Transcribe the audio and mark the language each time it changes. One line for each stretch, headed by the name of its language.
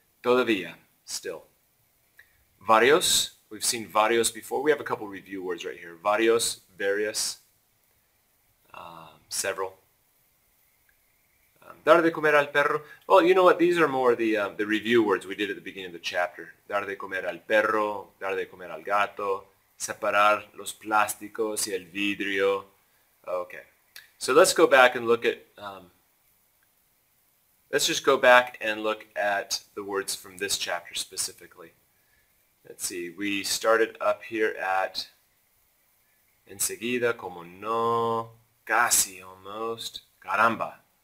English: Todavía, still. Varios, we've seen varios before, we have a couple review words right here. Varios, various, several.
Spanish: Dar de comer al perro,
English: well, you know what, these are more the review words we did at the beginning of the chapter.
Spanish: Dar de comer al perro, dar de comer al gato, separar los plásticos y el vidrio, okay.
English: So let's go back and look at, let's just go back and look at the words from this chapter specifically. Let's see, we started up here at
Spanish: enseguida, como no, casi,
English: almost, caramba.